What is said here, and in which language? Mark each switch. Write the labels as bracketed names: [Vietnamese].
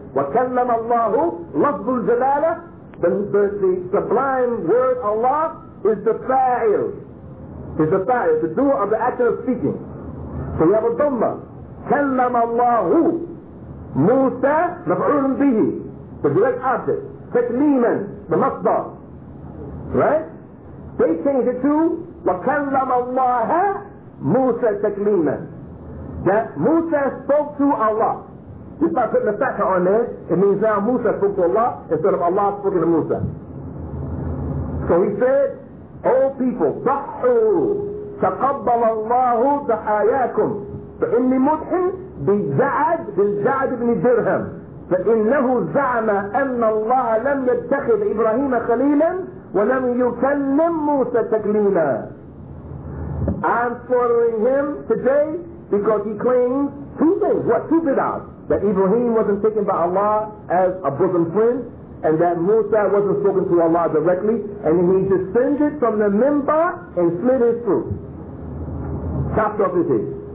[Arabic] وَكَلَّمَ اللَّهُ لَفْظُ الْجَلَالَةِ, [English] the sublime word Allah, is the fa'il, the doer of the action of speaking. So you have a dhamma. [Arabic] كلم الله موسى مفعول به, [English] the direct object. [Arabic] تكليما, the مصدر. [English] Right? They change it to [Arabic] وكلم الله موسى تكليما. [English] That موسى spoke to Allah. Just by putting the fatha on there, it means now موسى spoke to Allah instead of Allah spoken to موسى. So he said, O people, [Arabic] ضحوا تقبل الله دعاياكم فإني مدحن بالجعد بن درهم فإنه زعم أن الله لم يتخذ إبراهيم خليلا ولم يكلم موسى تكليما. [English] I'm slaughtering him today because he claims two things. What? Two bid'ahs. That Ibrahim wasn't taken by Allah as a bosom friend, and that Musa wasn't spoken to Allah directly, and he descended from the minbar and slit his throat, chopped off his head.